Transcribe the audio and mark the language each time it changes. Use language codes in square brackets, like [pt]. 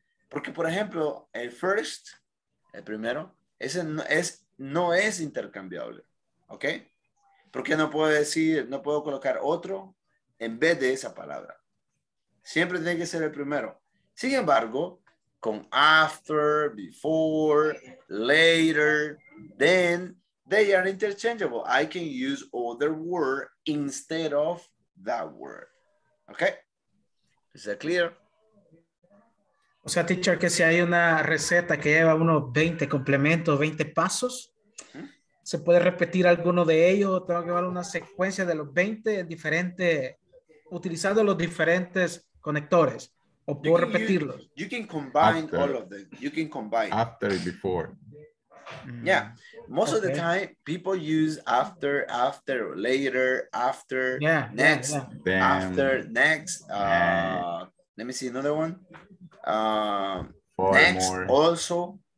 [es] Porque, por ejemplo, el first, el primero, ese no es intercambiable, okay? Porque no puedo decir, no puedo colocar otro en vez de esa palabra. Siempre tiene que ser el primero. Sin embargo, con [en] after, before, later, then, they are interchangeable. I can use other word instead of that word. Okay? Is that clear? [es] O sea, teacher, que si hay una receta que lleva unos 20 complementos, 20 pasos, ¿se puede repetir alguno de ellos o tengo que llevar una secuencia de los 20 diferentes utilizando los diferentes conectores o puedo [en] you can, [es] repetirlos? [en] You can combine after, all of them. You can combine. After and before. Yeah. Most okay. of the time, people use after, after, later, after, yeah, next, yeah, yeah. after, next. Let me see another one. Next, more. Also.